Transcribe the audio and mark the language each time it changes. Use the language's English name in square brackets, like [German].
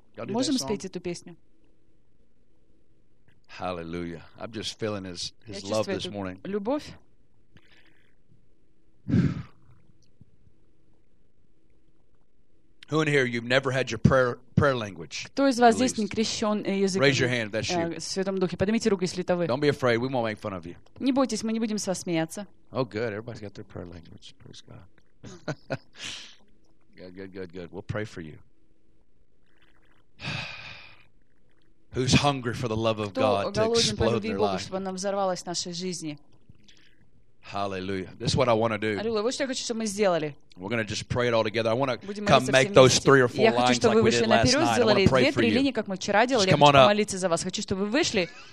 [English] Y'all do [Russian] Можем спеть эту песню? [English] Hallelujah. I'm just feeling His love this morning. [Russian] Любовь. [English] Who in here you've never had your prayer language? [Russian] Кто из вас здесь не крещен языком? [English] Raise your hand if that's you. [Russian] Святом Духе, поднимите руку, если это вы. [English] Don't be afraid, we won't make fun of you. [Russian] Не бойтесь, мы не будем с вас смеяться. [English] Oh, good, everybody's got their prayer language. Praise God. Good, good, good, good. We'll pray for you. Who's hungry for the love of God to explode their life? [Russian] Чтобы она взорвалась в нашей жизни. [English] Hallelujah. This is what I want to do. [Russian] Аллилуйя. Вот что я хочу, чтобы мы сделали. [English] We're going to just pray it all together. I want to come make those three or four lines like we did last night. I want to pray for you. [Russian] Линии, как мы вчера делали. Я хочу помолиться за вас. Хочу, чтобы вы вышли.